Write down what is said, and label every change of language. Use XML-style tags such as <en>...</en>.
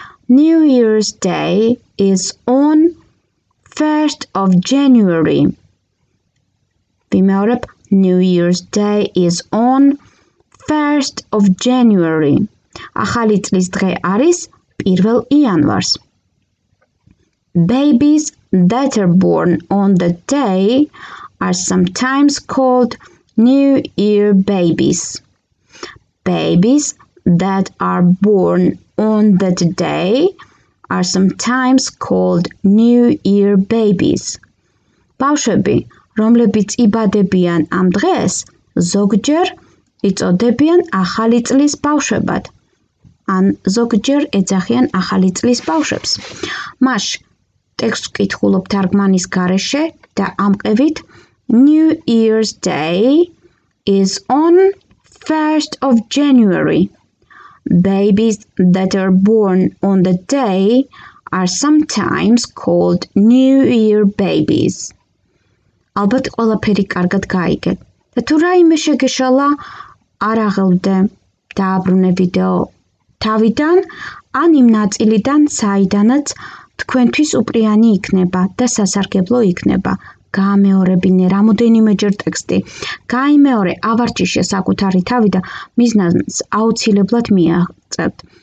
<en>New Year's Day is on 1st of January.</en> <ka>ვიმეორებ,</ka> <en>New Year's Day is on 1st of January.</en> <ka>ახალი წლის დღე არის 1 იანვარს.</ka> <en>Babies that are born on the day are sometimes called New Year babies. Babies that are born on that day are sometimes called New Year babies.</en> <ka>ბავშვები, რომლებიც იბადებიან ამ დღეს, ზოგჯერ იწოდებიან ახალი წლის ბავშვებად. ან ზოგჯერ ეძახიან ახალი წლის ბავშვებს. Маш, ტექსტ კითხულობ თარგმანის გარეშე და ამყევით</ka> <en>New Year's Day is on 1st of January. Babies that are born on the day are sometimes called New Year babies.</en> <ka>ალბათ ყველაფერი კარგად გაიგეთ. და თუ რაიმე შეგეშალა, არ აღელვდე, დააბრუნე ვიდეო თავიდან ან იმ ნაწილიდან, საიდანაც თქვენთვის უპრიანი იქნება და სასარგებლო იქნება. გაამეორებინე რამოდენიმეჯერ ტექსტი. გაიმეორე ავარჯი საკუთარი თავი და მიზნას აუცილებლად მიაღწევთ.</ka>